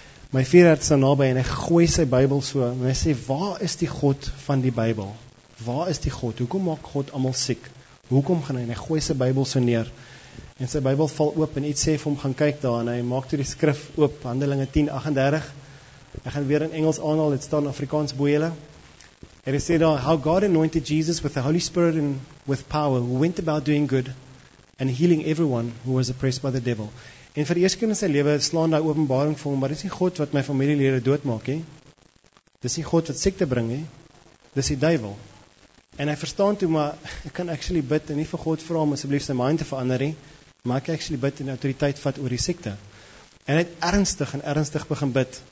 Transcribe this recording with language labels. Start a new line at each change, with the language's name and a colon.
Afrikaans: My 4:30 is nou naby en hy gooi sy Bybel so en hy sê, "Waar is die God van die Bybel? Waar is die God? Hoekom maak God almal siek? Hoekom gaan hy?" En hy gooi sy Bybel so neer. En sy Bybel val oop en iets sê vir hom gaan kyk daar en hy maak toe die skrif oop, Handelinge 10:38. Ek gaan weer in Engels aanhaal, dit staan Afrikaans bo julle. En hy sê daar,
English: "How God anointed Jesus with the Holy Spirit and with power, who went about doing good and healing everyone who was oppressed by the devil."
Afrikaans: En vir die eerste keer in sy lewe slaan daai openbaring vir hom, maar dis nie God wat my familielede doodmaak nie. Dis nie God wat siekte bring nie. Dis die duiwel. En hy verstaan toe, maar ek kan actually bid en nie vir God vra om asseblief sy mind te verander nie. Maar ek kan actually bid en autoriteit vat oor die siekte. En hy het ernstig begin bid.